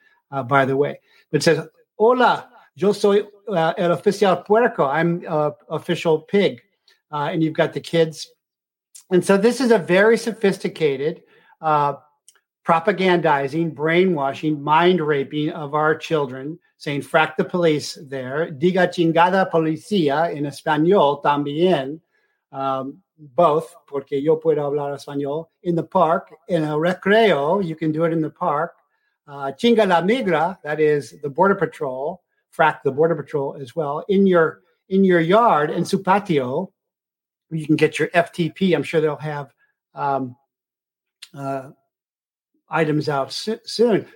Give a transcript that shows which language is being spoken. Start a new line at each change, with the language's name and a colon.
English: By the way, it says,
Spanish: hola, yo soy el oficial puerco.
English: I'm official pig. And you've got the kids. And so this is a very sophisticated propagandizing, brainwashing, mind raping of our children, saying, frack the police there.
Spanish: Diga chingada policía
English: in
Spanish: Espanol también.
English: Both,
Spanish: porque yo puedo hablar Espanol.
English: In the park, in a recreo, you can do it in the park.
Spanish: Chinga la migra,
English: that is the border patrol, frack the border patrol as well, in your yard, in
Spanish: su patio,
English: you can get your FTP. I'm sure they'll have items out soon.